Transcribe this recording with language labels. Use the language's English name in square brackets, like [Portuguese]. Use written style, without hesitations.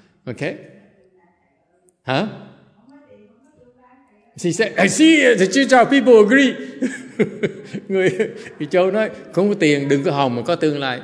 [English] Okay? Hả? Huh? She said, I see it, the Chichau people agree. [Vietnamese] Người Châu nói, không có tiền, đừng có hòng mà có tương lai.